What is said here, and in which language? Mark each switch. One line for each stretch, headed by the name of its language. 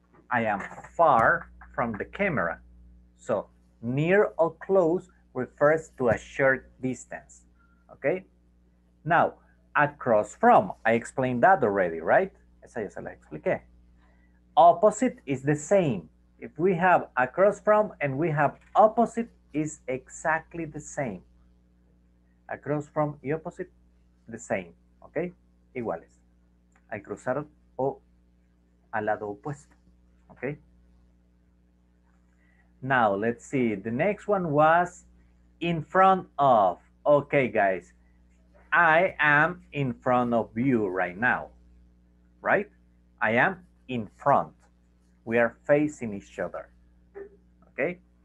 English: I am far from the camera. So near or close refers to a short distance, okay? Now, across from, I explained that already, right?
Spanish: Esa ya se la expliqué.
English: Opposite is the same. If we have across from and we have opposite, is exactly the same. Across from y opposite, the same, okay?
Spanish: Iguales, al cruzar o al lado opuesto, okay?
English: Now, let's see, the next one was in front of. Okay, guys, I am in front of you right now, right? I am in front. We are facing each other, okay?